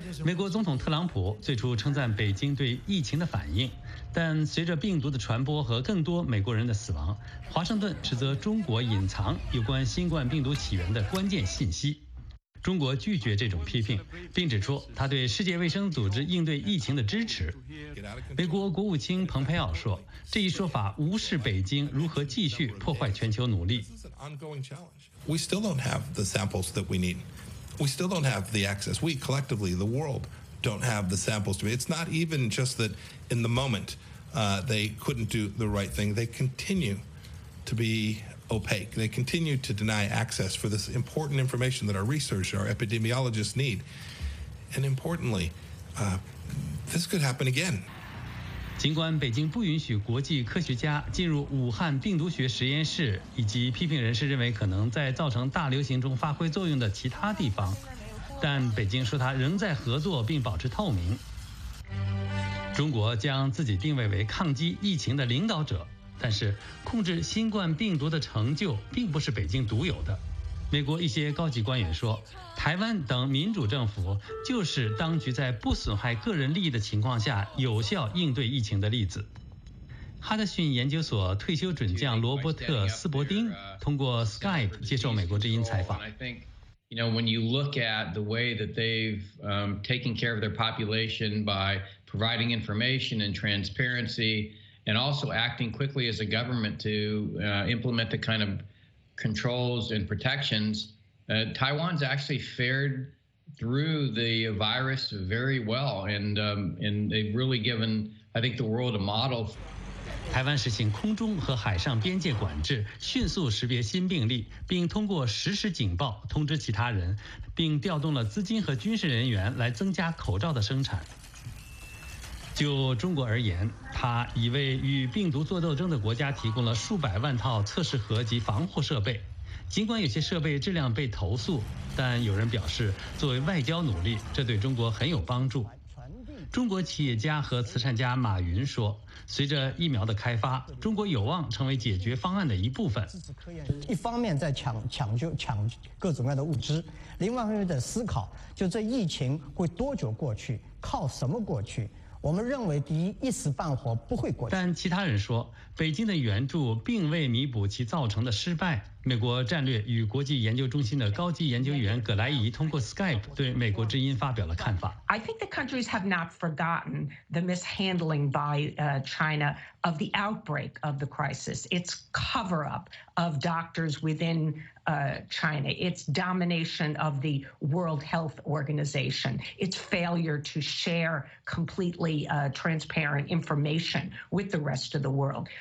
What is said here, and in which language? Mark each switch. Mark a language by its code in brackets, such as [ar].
[zh] 美国总统特朗普最初称赞北京对疫情的反应，但随着病毒的传播和更多美国人的死亡，华盛顿指责中国隐藏有关新冠病毒起源的关键信息。中国拒绝这种批评，并指出他对世界卫生组织应对疫情的支持。美国国务卿蓬佩奥说，这一说法无视北京如何继续破坏全球努力。 [en] We still don't have the samples that we need. We still don't have the access. We collectively, the world, don't have the samples. It's not even just that in the moment, they couldn't do the right thing. They continue to be... opaque. They continue to deny access for this important information that our research, our epidemiologists need. And importantly, this could happen again. [zh] 尽管北京不允许国际科学家进入武汉病毒学实验室，以及批评人士认为可能在造成大流行中发挥作用的其他地方，但北京说它仍在合作并保持透明。中国将自己定位为抗击疫情的领导者。但是控制新冠病毒的成就并不是北京独有的。美国一些高级官员说，台湾等民主政府就是当局在不损害个人利益的情况下有效应对疫情的例子。哈德逊研究所退休准将罗伯特·斯伯丁通过 Skype 接受美国之音采访。 [en] You know, when you look at the way that they've taken care of their population by providing information and transparency,and also acting quickly as a government to implement the kind of controls and protections, Taiwan's actually fared through the virus very well, and they've really given, I think, the world a model. [zh] 台湾实行空中和海上边界管制，迅速识别新病例，并通过实时警报通知其他人，并调动了资金和军事人员来增加口罩的生产。就中国而言，它已为与病毒做斗争的国家提供了数百万套测试盒及防护设备。尽管有些设备质量被投诉，但有人表示，作为外交努力，这对中国很有帮助。中国企业家和慈善家马云说，随着疫苗的开发，中国有望成为解决方案的一部分。一方面在抢救各种各样的物资，另外一方面在思考，就这疫情会多久过去，靠什么过去。我们认为第一一时半会不会过去，但其他人说北京的援助并未弥补其造成的失败，美国战略与国际研究中心的高级研究员葛莱仪通过 Skype 对美国之音发表了看法。 [en] I think the countries have not forgotten the mishandling by China of the outbreak of the crisis. It's cover up of doctors within China. It's domination of the World Health Organization. It's failure to share completely transparent information with the rest of the world.